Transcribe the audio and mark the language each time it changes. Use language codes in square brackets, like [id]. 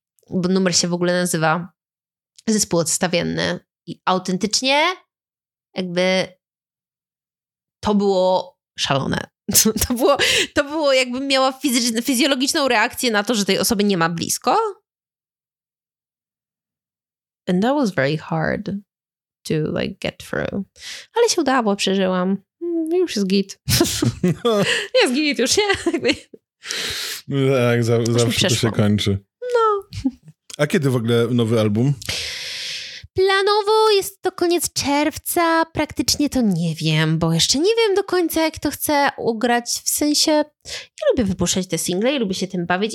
[pl] bo numer się w ogóle nazywa Zespół Odstawienny i autentycznie jakby to było szalone. To było jakbym miała fizjologiczną reakcję na to, że tej osoby nie ma blisko. [en] And that was very hard to like get through. [pl] Ale się udało, przeżyłam. Już jest git. Jest git już, nie? Tak, zawsze to się kończy. No. A kiedy w ogóle nowy album? Planowo jest to koniec czerwca, praktycznie to nie wiem, bo jeszcze nie wiem do końca, jak to chcę ugrać, w sensie ja lubię wypuszczać te single i lubię się tym bawić.